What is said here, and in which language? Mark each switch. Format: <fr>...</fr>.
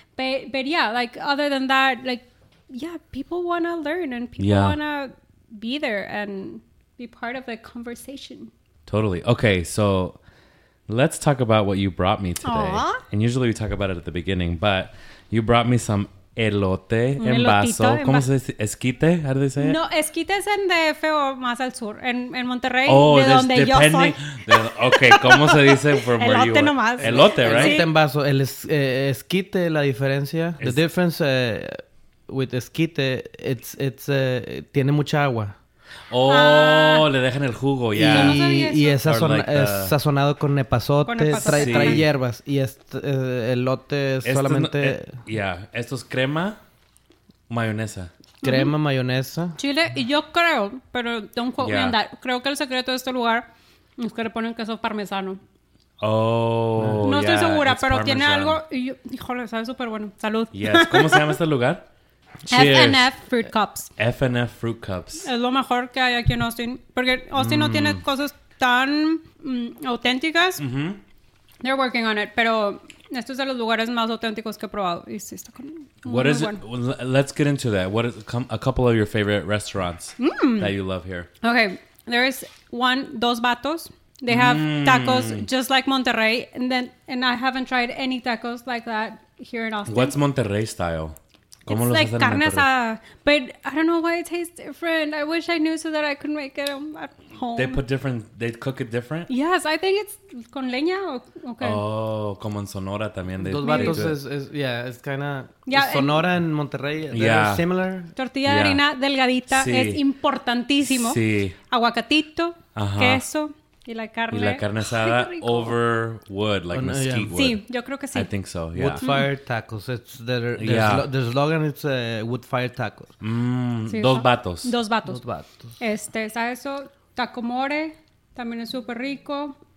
<en>But yeah, like other than that, like, yeah, people want to learn and people want to be there and be part of the conversation. Totally. Okay, so let's talk about what you brought me today. Aww. And usually we talk about it at the beginning, but you brought me some elote en vaso. ¿Cómo se dice? ¿Esquite? How do they say it?</en> <es>No, esquite es en DF o más al sur. En Monterrey, de donde depending, yo soy. Okay, ¿cómo se dice from elote</es> <en>where you</en> <es>are? Elote nomás. Elote, right? Esquite en vaso. El esquite, la diferencia.</es> <en>The difference with esquite, it's tiene mucha agua.</en> <es>Oh, le dejan el jugo, Y es, es sazonado con epazote, trae hierbas. Y elote es solamente... Esto es crema, mayonesa. Crema, mayonesa. Chile, y yo creo, pero don't quote me on that, creo que el secreto de este lugar es que le ponen queso parmesano. No estoy segura, pero parmesan. Tiene algo... Y yo, híjole, sabe súper bueno. Salud.</es> <en>Yes.</en> <es>¿Cómo se llama este lugar?</es> <en>FNF Fruit Cups.</en> <es>Es lo mejor que hay aquí en Austin. Porque Austin no tiene cosas tan auténticas. Mm-hmm.</es> <en>They're working on it.</en> <es>Pero esto es de los lugares más auténticos que he probado. Y sí, está con</es> <en>What is bueno. Let's get into that. What is a couple of your favorite restaurants that you love here? Okay. There is one, Dos Vatos. They have tacos just like Monterrey. And I haven't tried any tacos like that here in Austin. What's Monterrey style? It's like carne asada, but I don't know why it tastes different. I wish I knew so that I could make it at home. They put different, they cook it different? Yes, I think it's con leña.</en> <es>Como en Sonora también.</es> <en>Dos Vatos it's kind of, Sonora and Monterrey, they're similar.</en> <es>Tortilla de harina delgadita es importantísimo. Sí. Aguacatito, queso, Y la carne. Y la carne asada over wood, like mesquite wood. Sí, yo creo que sí.</es> <en>I think so, yeah. Wood fire tacos. It's their slogan is wood fire tacos.</en> <es>Dos vatos. ¿Sabes eso? Taco more, también es súper rico.</es>